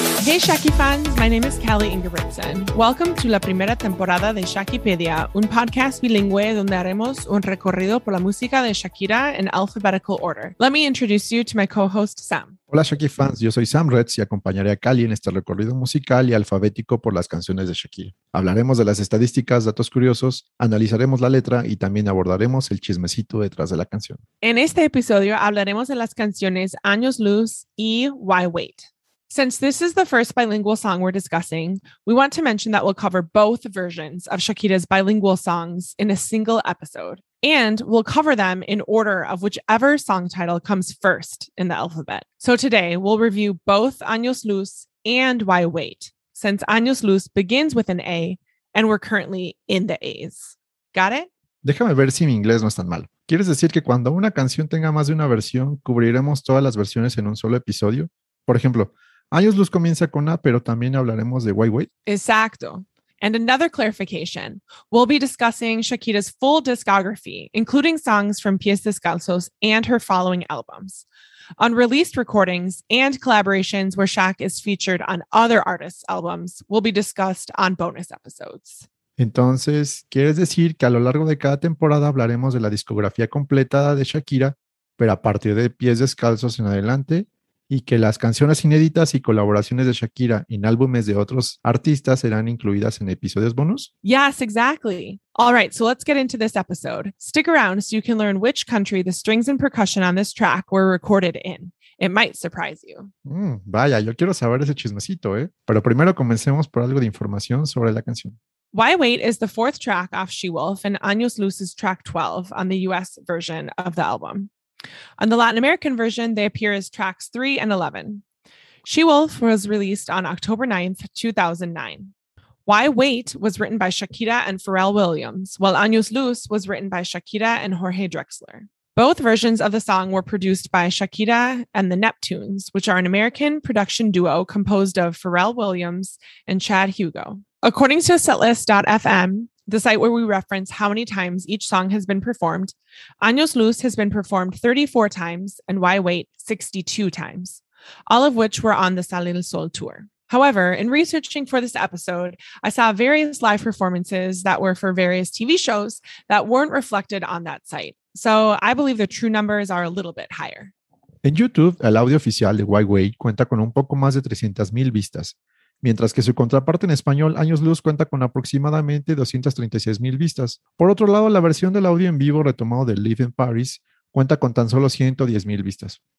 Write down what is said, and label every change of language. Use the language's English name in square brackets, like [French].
[English] Hey, Shaki fans, my name is Kelly Ingebrigtsen. Welcome to [Spanish] la primera temporada de Shakipedia, un podcast bilingüe donde haremos un recorrido por la música de Shakira [English] in alphabetical order. Let me introduce you to my co-host, Sam. [Spanish] Hola, Shaki fans, yo soy Sam Retz y acompañaré a Kelly en este recorrido musical y alfabético por las canciones de Shakira. Hablaremos de las estadísticas, datos curiosos, analizaremos la letra y también abordaremos el chismecito detrás de la canción. En este episodio hablaremos de las canciones Años Luz y Why Wait. [English] Since this is the first bilingual song we're discussing, we want to mention that we'll cover both versions of Shakira's bilingual songs in a single episode, and we'll cover them in order of whichever song title comes first in the alphabet. So today, we'll review both Años Luz and Why Wait, since Años Luz begins with an A, and we're currently in the A's. Got it? [Spanish] Déjame ver si mi inglés no es tan mal. ¿Quieres decir que cuando una canción tenga más de una versión, cubriremos todas las versiones en un solo episodio? Por ejemplo, Años Luz comienza con A, pero también hablaremos de Why Wait. Exacto. [English] And another clarification. We'll be discussing Shakira's full discography, including songs from Pies Descalzos and her following albums. On released recordings and collaborations where Shak is featured on other artists' albums will be discussed on bonus episodes. [Spanish] Entonces, ¿quieres decir que a lo largo de cada temporada hablaremos de la discografía completa de Shakira, pero a partir de Pies Descalzos en adelante? Y que las canciones inéditas y colaboraciones de Shakira en álbumes de otros artistas serán incluidas en episodios bonus? [English] Yes, exactly. All right, so let's get into this episode. Stick around so you can learn which country the strings and percussion on this track were recorded in. It might surprise you. [Spanish] Vaya, yo quiero saber ese chismecito, ¿eh? Pero primero comencemos por algo de información sobre la canción. [English] Why Wait is the fourth track off She-Wolf and Años Luz is track 12 on the US version of the album. On the Latin American version, they appear as tracks 3 and 11. She-Wolf was released on October 9th, 2009. Why Wait was written by Shakira and Pharrell Williams, while Años Luz was written by Shakira and Jorge Drexler. Both versions of the song were produced by Shakira and the Neptunes, which are an American production duo composed of Pharrell Williams and Chad Hugo. According to setlist.fm, the site where we reference how many times each song has been performed, Años Luz has been performed 34 times and Why Wait 62 times, all of which were on the Sal El Sol tour. However, in researching for this episode, I saw various live performances that were for various TV shows that weren't reflected on that site. So I believe the true numbers are a little bit higher. [Spanish] En YouTube, el audio oficial de Why Wait cuenta con un poco más de 300,000 vistas. Mientras que su contraparte en español, Años Luz, cuenta con aproximadamente 236,000 vistas. Por otro lado, la versión del audio en vivo retomado de Live in Paris cuenta con tan solo 110,000 vistas.